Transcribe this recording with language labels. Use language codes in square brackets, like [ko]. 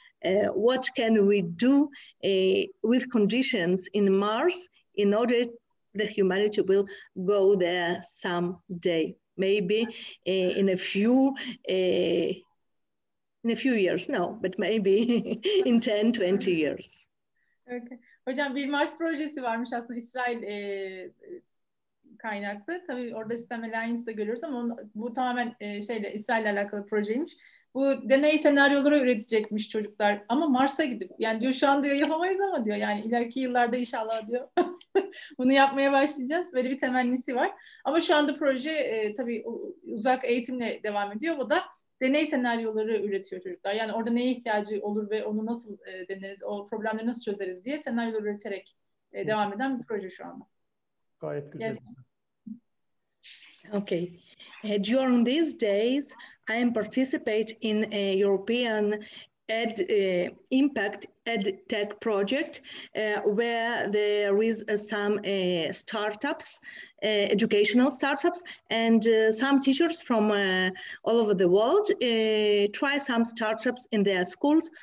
[en] What can we do with conditions in Mars in order the humanity will go there someday, maybe in a few years, no, but maybe in 10, 20 years. Okay. [tr] Hocam bir Mars projesi varmış aslında İsrail kaynaklı. Tabii orada Sistem Alliance'da görüyoruz ama bu tamamen şeyle İsrail'le alakalı projeymiş. Bu deney senaryoları üretecekmiş çocuklar ama Mars'a gidip. Yani diyor şu an diyor yapamayız ama diyor yani ileriki yıllarda inşallah diyor bunu yapmaya başlayacağız. Böyle bir temennisi var. Ama şu anda proje tabii uzak eğitimle devam ediyor. O da deney senaryoları üretiyor çocuklar. Yani orada neye ihtiyacı olur ve onu nasıl deneriz, o problemleri nasıl çözeriz diye senaryolar üreterek devam eden bir proje şu anda. Gayet güzel. Yes. [en] Okay. During these days, I participate in a European impact EdTech project where there is some startups, educational startups, and some teachers from all over the world try some startups in their schools.